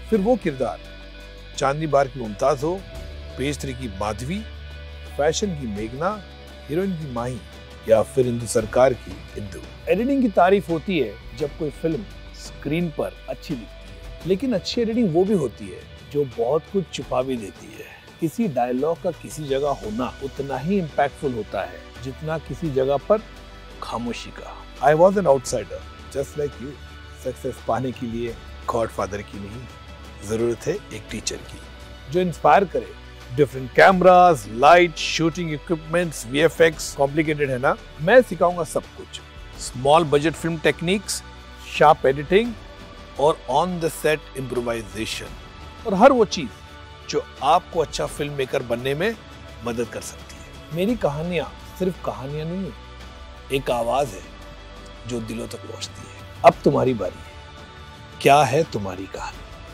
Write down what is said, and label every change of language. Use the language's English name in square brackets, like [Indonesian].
[Hindi] फिर वो किरदार चांदनी बार की मुमताज हो, पेस्ट्री की माधवी, फैशन की मेघना, हीरोइन की माही या फिर इंदु सरकार की इंदु। एडिटिंग की तारीफ होती है जब कोई फिल्म स्क्रीन पर अच्छी दिखती है, लेकिन अच्छी एडिटिंग वो भी होती है जो बहुत कुछ छुपा भी देती है। किसी डायलॉग का किसी जगह होना उतना ही इम्पैक्टफुल होता है जितना किसी जगह पर खामोशी का। [English] I was an outsider, just like you. [Hindi] Success पाने के लिए Godfather की नहीं, ज़रूरत है एक teacher की, जो inspire करे। [English] Different cameras, light, shooting equipments, VFX, complicated है ना? [Hindi] मैं सिखाऊंगा सब कुछ। Small budget film techniques, sharp editing, और on the set improvisation, और हर वो चीज़ जो आपको अच्छा film maker बनने में मदद कर सकती है। मेरी कहानियाँ सिर्फ कहानियाँ नहीं है, एक आवाज़ है जो दिलों तक पहुंचती है। अब तुम्हारी बारी है, क्या है तुम्हारी कहानी?